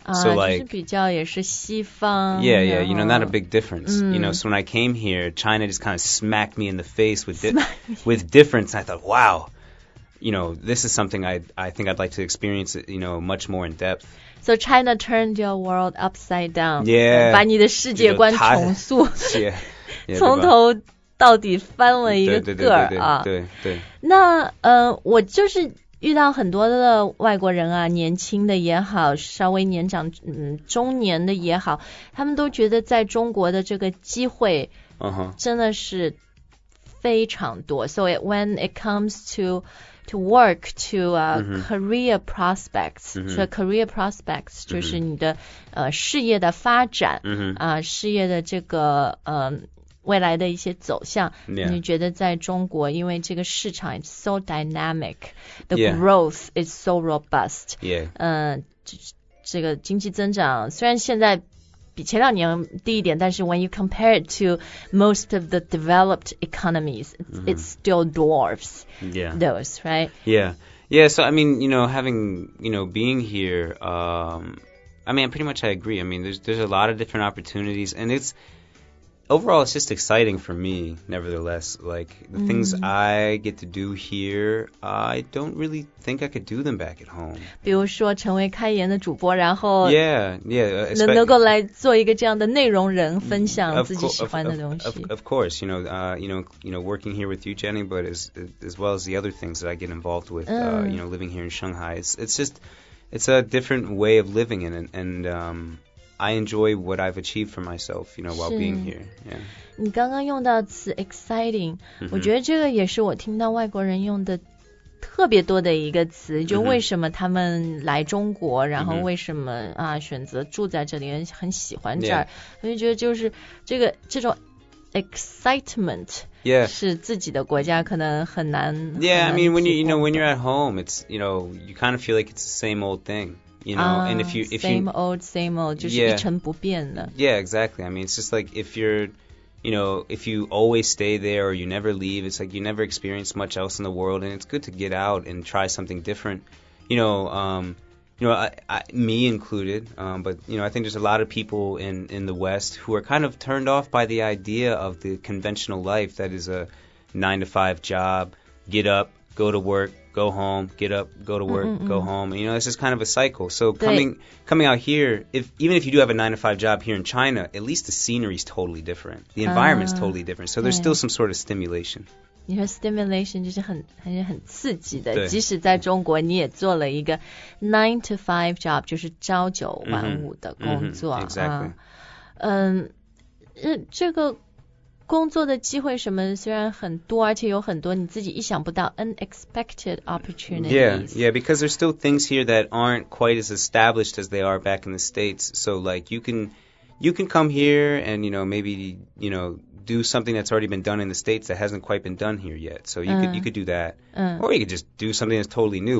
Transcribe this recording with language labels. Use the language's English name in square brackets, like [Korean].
[English] So like, [Chinese] 就是比较也是西方。 [English] Yeah, yeah, you know, not a big difference. You know, so when I came here, China just kind of smacked me in the face with difference. I thought, wow, you know, this is something I think I'd like to experience, you know, much more in depth. So China turned your world upside down. Yeah. [Chinese] 把你的世界观重塑。从头到底翻了一个个儿啊。对。那我就是遇到很多的外国人啊年轻的也好稍微年长中年的也好他们都觉得在中国的这个机会真的是非常多。 [English] So when it comes to work, to career prospects. So career prospects, [Chinese] 就是你的事业的发展事业的这个未来的一些走向。你觉得在中国因为这个市场 [English] is so dynamic, the growth is so robust. Yeah. [Chinese] 这个经济增长虽然现在比前两年低一点但是 [English] when you compare it to most of the developed economies, it still dwarfs those, right? Yeah. Yeah, so I mean, you know, having, you know, being here, I mean, pretty much I agree. I mean, there's a lot of different opportunities and it's, overall, it's just exciting for me, nevertheless. Like, the things I get to do here, I don't really think I could do them back at home. [Chinese] 比如说成为开言的主播然后能够来做一个这样的内容人分享自己喜欢的东西。 [English] Of course, you know, working here with you, Jenny, but as well as the other things that I get involved with, you know, living here in Shanghai. It's a different way of living in it, and... I enjoy what I've achieved for myself, you know, while being here. Yeah. [Chinese] 你刚刚用到词 exciting, 我觉得这个也是我听到外国人用的特别多的一个词，就为什么他们来中国，嗯，然后为什么，嗯，啊选择住在这里，很喜欢这儿， [English] yeah. [Chinese] 我就觉得就是这个这种 excitement、 [English] yeah. [Chinese] 是自己的国家可能很难。 [English] Yeah, I mean when you know when you're at home, it's you know you kind of feel like it's the same old thing, you know,、and if you if same you, old same old 就是 yeah, [Chinese] 一成不变的。 [English] Yeah, exactly. I mean it's just like if you're. You know, if you always stay there or you never leave, it's like you never experience much else in the world, and it's good to get out and try something different. You know, me included, but, you know, I think there's a lot of people in the West who are kind of turned off by the idea of the conventional life that is a 9-to-5 job, get up, go to work, go home, get up, go to work, mm-hmm. go home. And, you know, it's just kind of a cycle. So coming out here, even if you do have a 9-to-5 job here in China, at least the scenery is totally different. The environment is totally different. So there's still some sort of stimulation. [Chinese] 你说 stimulation 就是很刺激的。即使在中国你也做了一个 [English] 9-to-5 job, [Chinese] 就是朝九晚五的工作。 [English] Mm-hmm, exactly. [Chinese] 这个工作的机会什么虽然很多而且有很多你自己意想不到 [English] unexpected opportunities. Yeah, yeah, because there's still things here that aren't quite as established as they are back in the States. So like you can come here and you know maybe you know do something that's already been done in the States that hasn't quite been done here yet. So you could do that. Or you could just do something that's totally new.